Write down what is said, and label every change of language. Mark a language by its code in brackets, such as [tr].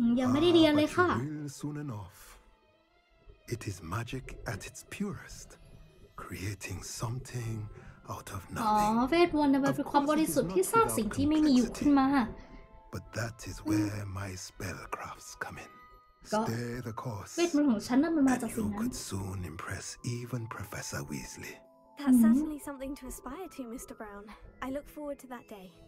[th] ยังไม่ได้เรียนเลยค่ะ [en] Soon enough. It is magic at its purest. Creating something out of nothing. [th] อ๋อเวทมนต์นะเป็นความบริสุทธิ์ที่สร้างสิ่งที่ไม่มีอยู่ขึ้นมา [en] But that is where my spellcrafts come in. Stay the course. [th] เวทมนต์ของฉันน่ะมันมาจากสิ่งนั้น [en] You could soon impress even Professor Weasley. That's certainly something to aspire to, Mr. Brown. I look forward to that day.